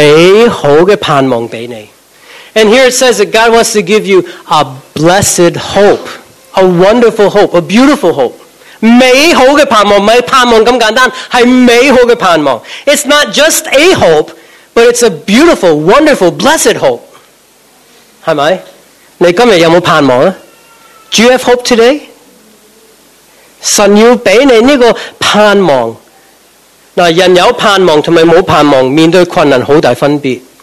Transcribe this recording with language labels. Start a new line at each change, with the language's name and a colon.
Cantonese: 神的安慰呢，你睇到呢个经文几好啊，将呢个美好嘅盼望俾你。
English: And here it says that God wants to give you a blessed hope, a wonderful hope, a beautiful hope.
Cantonese: 美好嘅盼望，唔系盼望咁简单，系美好嘅盼望。
English: It's not just a hope, but it's a beautiful, wonderful, blessed hope.
Cantonese: 系咪？你今日有冇盼望啊？
English: Do you have hope today?
Cantonese: 神要俾你呢个盼望。人有盼望同埋冇盼望，面对困难好大分别。